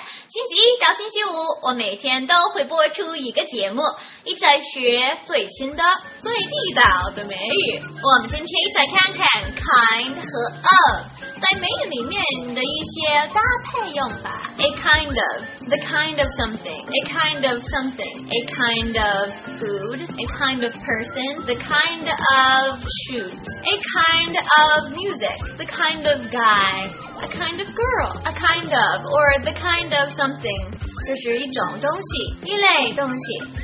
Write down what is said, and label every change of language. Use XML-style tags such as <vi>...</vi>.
<zh>星期一到星期五，我每天都会播出一个节目，一起来学最新的、最地道的美语。我们今天一起来看看 kind 和 of 在美语里面的一些搭配用法。</zh> <en>A kind of, the kind of something, a kind of something, a kind of food, a kind of person, the kind of shoes, a kind of music, the kind of guy, a kind of girl, a kind of, or the kind of something.</en> <zh>这是一种东西，一类东西。</zh>